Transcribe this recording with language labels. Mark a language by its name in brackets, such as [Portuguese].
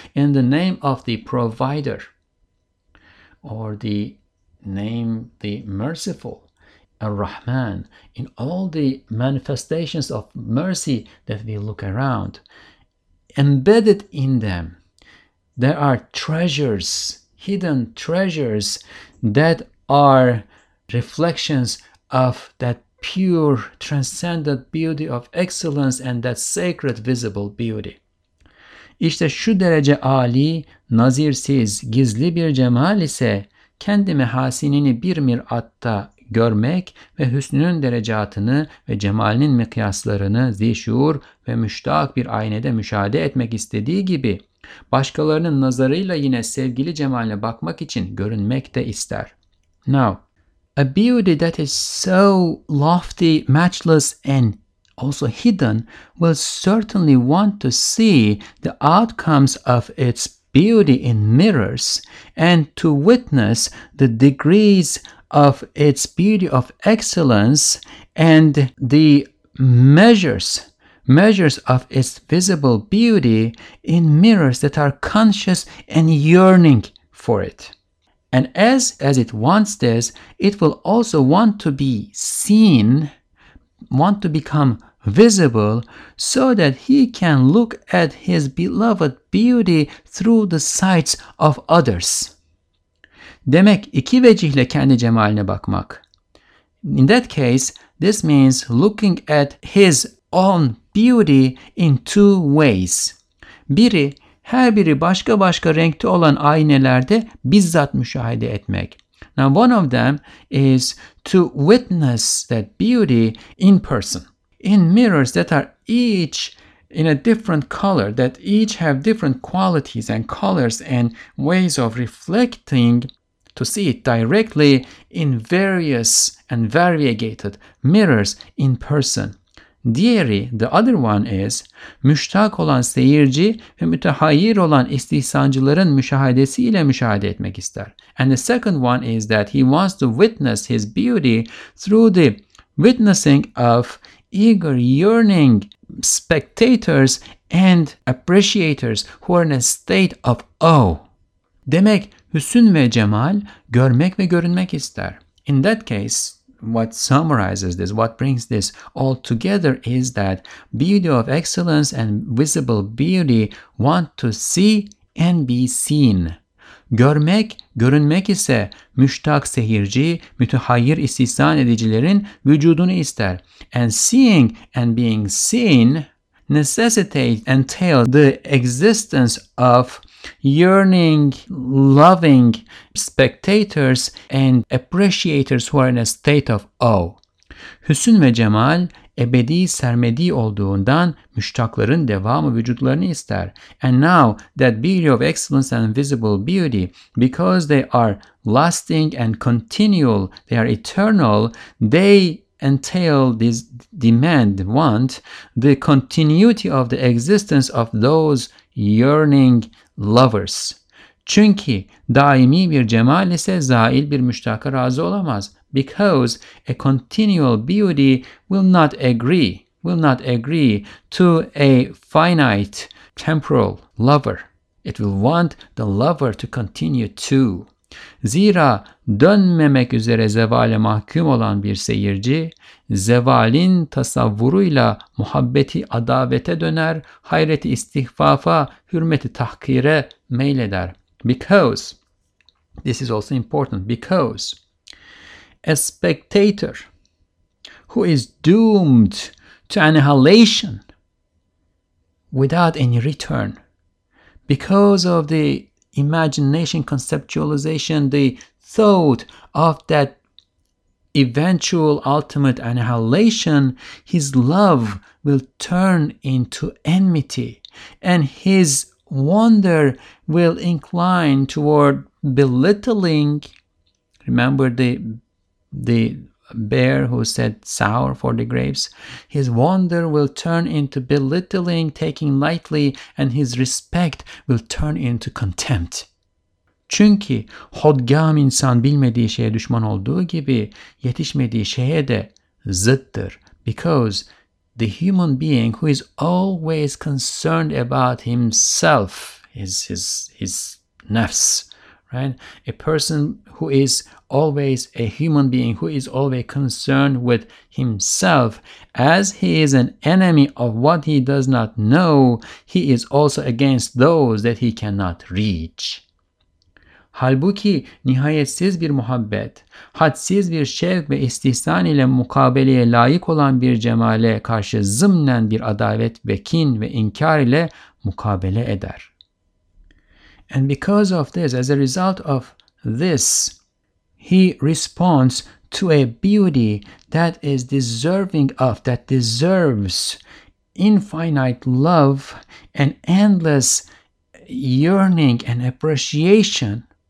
[English] In the name of the provider, or the name the merciful, Ar-Rahman, in all the manifestations of mercy that we look around, embedded in them, there are treasures, hidden treasures that are reflections of that pure, transcendent beauty of excellence and that sacred visible beauty. [Turkish] İşte şu derece âli, nazirsiz, gizli bir cemal ise kendi mehasinini bir mir'atta görmek ve hüsnünün derecatını ve cemalinin mikyaslarını zişur ve müştak bir aynede müşahede etmek istediği gibi başkalarının nazarıyla yine sevgili cemaline bakmak için görünmek de ister. [English] Now, a beauty that is so lofty, matchless, and also hidden will certainly want to see the outcomes of its beauty in mirrors and to witness the degrees of its beauty of excellence and the measures of its visible beauty in mirrors that are conscious and yearning for it. And as it wants this, it will also want to be seen, want to become visible, so that he can look at his beloved beauty through the sights of others. [Turkish] Demek iki vecihle kendi cemaline bakmak. [English] In that case, this means looking at his own beauty in two ways. [Turkish] Biri, her biri başka başka renkte olan aynelerde bizzat müşahede etmek. [English] Now one of them is to witness that beauty in person, in mirrors that are each in a different color, that each have different qualities and colors and ways of reflecting, to see it directly in various and variegated mirrors in person. [Turkish] Diğeri, [English] the other one is, [Turkish] müştak olan seyirci ve mütehayir olan istihsancıların müşahedesiyle müşahede etmek ister. [English] And the second one is that he wants to witness his beauty through the witnessing of eager, yearning spectators and appreciators who are in a state of awe. [Turkish] Demek, hüsn ve cemal görmek ve görünmek ister. [English] In that case, what summarizes this, what brings this all together is that beauty of excellence and visible beauty want to see and be seen. [Turkish] Görmek, görünmek ise müştak seyirci, mütehayir istihsan edicilerin vücudunu ister. [English] And seeing and being seen necessitate, entail the existence of yearning, loving spectators and appreciators who are in a state of awe. [Turkish] Hüsn ve cemal ebedi sermedi olduğundan müştakların devamı vücutlarını ister. [English] And now that beauty of excellence and visible beauty, because they are lasting and continual, they are eternal, they entail this demand, want, the continuity of the existence of those yearning lovers. [Turkish] Çünkü daimi bir cemal ise zail bir müştaka razı olamaz. [English] because a continual beauty will not agree to a finite temporal lover. It will want the lover to continue too. [Turkish] Zira dönmemek üzere zevale mahkum olan bir seyirci, zevalin tasavvuruyla muhabbeti adavete döner, hayreti istihfafa, hürmeti tahkire meyleder. [English] Because, this is also important, because a spectator who is doomed to annihilation without any return because of the imagination, conceptualization, the thought of that eventual ultimate annihilation, his love will turn into enmity and his wonder will incline toward belittling. Remember the bear who said sour for the grapes? His wonder will turn into belittling, taking lightly, and his respect will turn into contempt. [Turkish] Çünkü hodgam insan bilmediği şeye düşman olduğu gibi yetişmediği şeye de zıttır. [English] Because the human being who is always concerned about himself, his nafs, right? A person who is always a human being, who is always concerned with himself, as he is an enemy of what he does not know, he is also against those that he cannot reach. [Turkish] Halbuki nihayetsiz bir muhabbet, hadsiz bir şevk ve istihsan ile mukabeleye layık olan bir cemale karşı zımnen bir adavet ve kin ve inkar ile mukabele eder. [English] And because of this, as a result of this, he responds to a beauty that is deserving of, that deserves infinite love and endless yearning and appreciation.